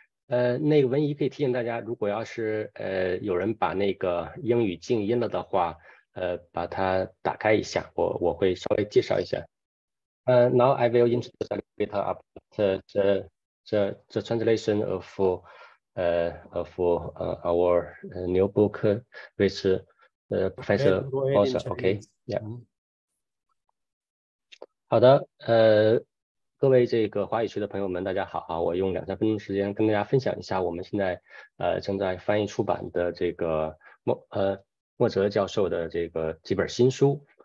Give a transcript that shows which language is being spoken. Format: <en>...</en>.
<zh>那个文怡可以提醒大家，如果要是有人把那个英语静音了的话，把它打开一下，我会稍微介绍一下。</zh> <en>Now I will introduce a little bit about the translation of our new book with Professor Moser. Okay, yeah.</en> <zh>好的，各位这个华语区的朋友们大家好啊，我用两三分钟时间跟大家分享一下我们现在正在翻译出版的这个莫泽教授的这个几本新书。</zh>